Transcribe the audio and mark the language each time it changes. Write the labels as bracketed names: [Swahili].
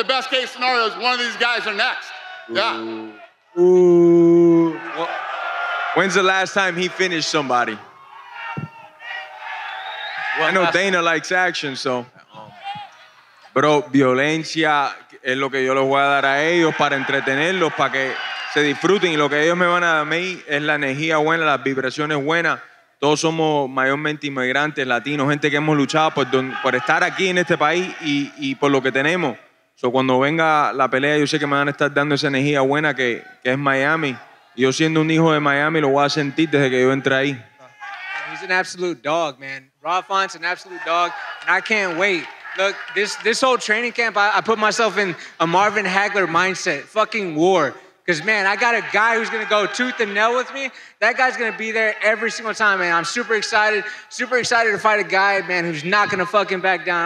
[English] the best case scenario is one of these guys are next. Ooh. Yeah. Ooh. Well, when's the last time he finished somebody? Well, I know Dana likes action, so. Bro, [Spanish] violencia, es lo que yo les voy a dar a ellos para entretenerlos, para que se disfruten. Y lo que ellos me van a dar a mí es la energía buena, las vibraciones buenas. Todos somos mayormente inmigrantes, latinos, gente que hemos luchado por estar aquí en este país y por lo que tenemos. So, cuando venga la pelea, yo sé que me van a estar dando esa energía buena que es Miami. Yo siendo un hijo de Miami, lo voy a sentir desde que yo entré ahí. [English] He's an absolute dog, man. Rob Font's an absolute dog, and I can't wait. Look, this whole training camp, I put myself in a Marvin Hagler mindset, fucking war. Because, man, I got a guy who's going to go tooth and nail with me. That guy's going to be there every single time, man. I'm super excited to fight a guy, man, who's not going to fucking back down.